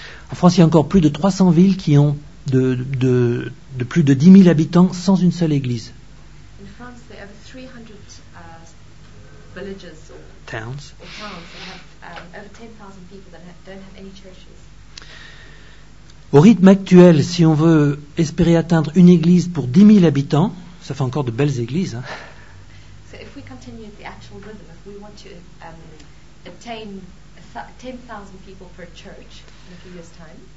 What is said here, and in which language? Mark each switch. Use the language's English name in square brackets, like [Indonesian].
[French] En France, il y a encore plus de 300 villes qui ont de plus de 10 000 habitants sans une seule église. [English] In France, there are 300 villages or towns that have over 10,000 people that don't have any churches. [French] Au rythme actuel, si on veut espérer atteindre une église pour 10 000 habitants, ça fait encore de belles églises. [English] So if we continue the actual rhythm, if we want to attain 10,000 people per church in a few years' time,